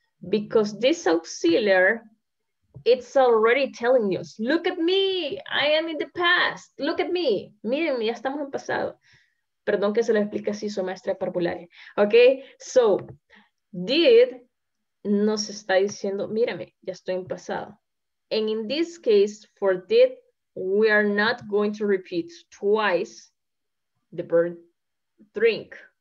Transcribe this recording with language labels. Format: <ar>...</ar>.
<en>Because this auxiliar, it's already telling us, look at me, I am in the past. Look at me.</en> <es>Miren, ya estamos en pasado. Perdón que se lo explique así, soy maestra de parvulario. Ok, so, did nos está diciendo, mírame, ya estoy en pasado.</es> <en>And in this case, for did, we are not going to repeat twice the verb drink.</en>